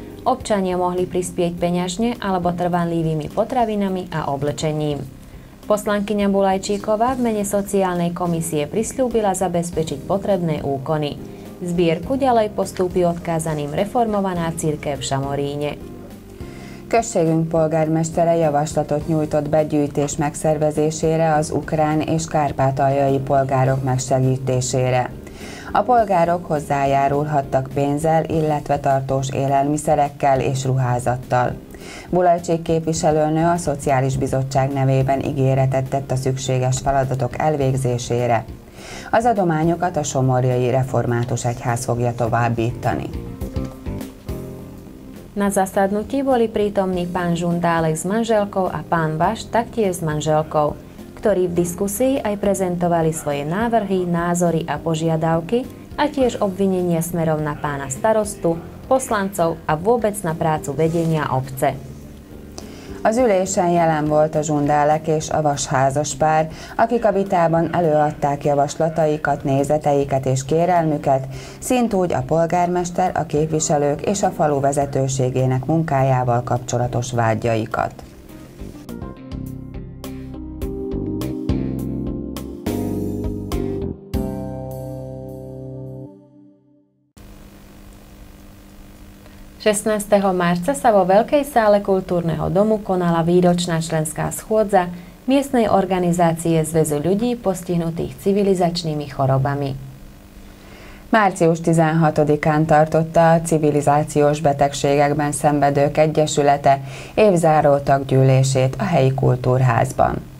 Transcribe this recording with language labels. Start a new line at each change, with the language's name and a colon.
Slovak: Občania mohli prispieť peňažne alebo trvanlivými potravinami a oblečením. Poslankyňa Bulajčíková v mene sociálnej komisie prisľúbila zabezpečiť potrebné úkony. Zbierku ďalej postúpi odkázaným reformovaná cirkev v Šamoríne.
Hungarian: Községünk polgármestere javaslatot nyújtott begyűjtés megszervezésére az ukrán és kárpátaljai polgárok megsegítésére. A polgárok hozzájárulhattak pénzzel, illetve tartós élelmiszerekkel és ruházattal. Bulajcsék képviselőnő a Szociális Bizottság nevében ígéretet tett a szükséges feladatok elvégzésére. Az adományokat a Somorjai Református Egyház fogja továbbítani.
Slovak: Na zasadnutí boli prítomní pán Žundálek s manželkou a pán Baš taktiež s manželkou, ktorí v diskusii aj prezentovali svoje návrhy, názory a požiadavky a tiež obvinenie smerom na pána starostu, poslancov a vôbec na prácu vedenia obce.
Hungarian: Az ülésen jelen volt a Zsundálek és a Vas házas pár, akik a vitában előadták javaslataikat, nézeteiket és kérelmüket, szintúgy a polgármester, a képviselők és a falu vezetőségének munkájával kapcsolatos vágyaikat.
Slovak: Marca sa vo Veľkej sále kultúrneho domu konala výročná členská schôdza miestnej organizácie Zväzu ľudí postihnutých civilizačnými chorobami.
Hungarian: Március 16-án tartotta a civilizációs betegségekben szenvedők egyesülete évzáró taggyűlését a helyi kultúrházban.